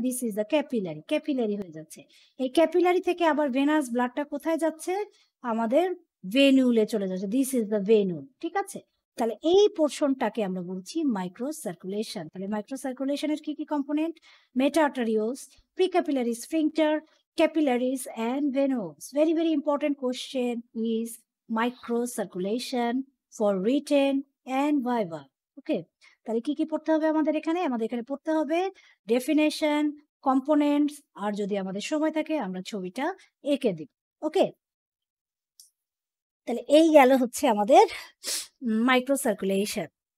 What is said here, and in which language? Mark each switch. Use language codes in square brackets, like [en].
[en] this is the capillary, [bn] capillary হয়ে যাচ্ছে। এই ক্যাপিলারি থেকে আবার ভেনাস ব্লাডটা কোথায় যাচ্ছে, আমাদের ভেনুলে চলে যাচ্ছে, [en] This is the venule. [bn] ঠিক আছে, তাহলে এই পোর্শনটাকে আমরা বলছি মাইক্রো সার্কুলেশন। তাহলে মাইক্রো সার্কুলেশনের কি কি component? Meta আর্টারিওলস, pre capillary sphincter, capillaries and venules. [en] Very very important question is microcirculation for written and viva. Okay, [bn] তাহলে কি কি পড়তে হবে আমাদের এখানে? আমাদের এখানে পড়তে হবে definition, components, আর যদি আমাদের সময় থাকে আমরা ছবিটা এঁকে দিব। ওকে, তাহলে এই গেল হচ্ছে আমাদের মাইক্রোসার্কুলেশন।